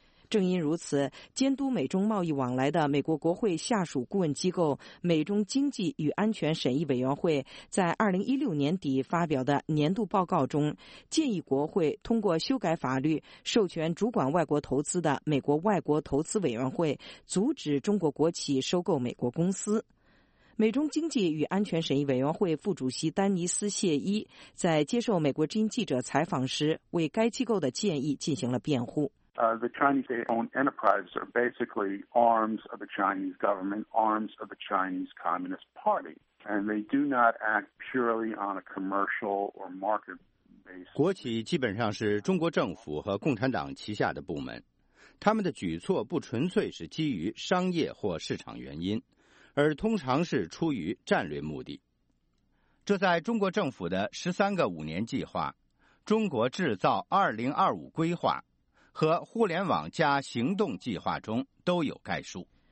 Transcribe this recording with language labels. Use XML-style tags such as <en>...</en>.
<zh>正因如此，监督美中贸易往来的美国国会下属顾问机构美中经济与安全审议委员会在2016年底发表的年度报告中，建议国会通过修改法律，授权主管外国投资的美国外国投资委员会阻止中国国企收购美国公司。美中经济与安全审议委员会副主席丹尼斯·谢伊在接受美国之音记者采访时，为该机构的建议进行了辩护。</zh> <en>The Chinese-owned enterprises are basically arms of the Chinese government, arms of the Chinese Communist Party, and they do not act purely on a commercial or market basis.</en> <zh>国企基本上是中国政府和共产党旗下的部门，他们的举措不纯粹是基于商业或市场原因，而通常是出于战略目的。这在中国政府的13个5年计划、中国制造2025规划和互联网加行动计划中都有概述。</zh>